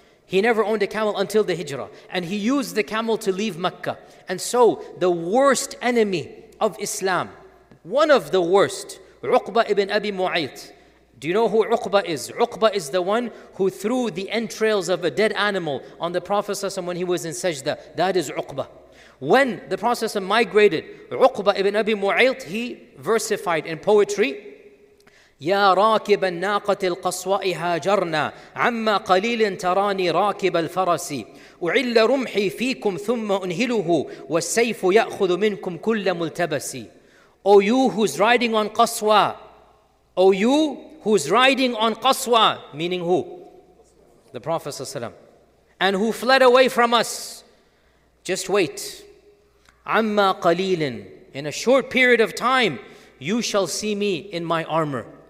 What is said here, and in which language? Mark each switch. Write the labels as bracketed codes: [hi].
[en] He never owned a camel until the Hijrah. And he used the camel to leave Mecca. And so the worst enemy of Islam, one of the worst, Uqba ibn Abi Mu'ayt. Do you know who Uqba is? Uqba is the one who threw the entrails of a dead animal on the Prophet ﷺ when he was in Sajda. That is Uqba. When the Prophet ﷺ migrated, Uqba ibn Abi Mu'ayt, he versified in poetry, [ar] يَا رَاكِبَ النَّاقَةِ الْقَصْوَاءِ هَاجَرْنَا عَمَّا قَلِيلٍ تَرَانِي رَاكِبَ الْفَرَسِ أُعِلَّ رُمْحِي فِيكُمْ ثُمَّ أُنْهِلُهُ وَالسَّيْفُ يَأْخُذُ مِنْكُمْ كُلَّ مُلْتَبَسِ. [en] O you who's riding on Qaswa, O you who's riding on Qaswa, meaning who? The Prophet ﷺ. And who fled away from us, just wait. [ar] عَمَّا قَلِيلٍ. [en] In a short period of time, you shall see me in my armor.